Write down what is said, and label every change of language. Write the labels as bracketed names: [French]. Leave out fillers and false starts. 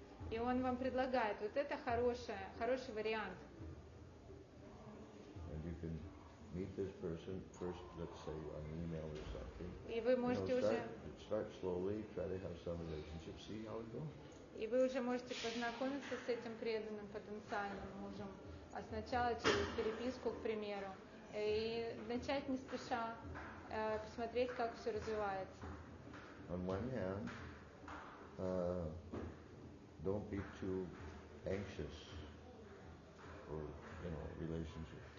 [Russian] И он вам предлагает, вот это хороший вариант. [English] Meet this person first, let's say on email or something. [Russian] И вы можете [English] start slowly, try to have some relationship, see how it goes. [Russian] И вы уже можете познакомиться с этим преданным потенциальным мужем, а сначала через переписку, к примеру, и начать не спеша посмотреть, как все развивается. [English] On one hand, don't be too anxious for, you know, relationships.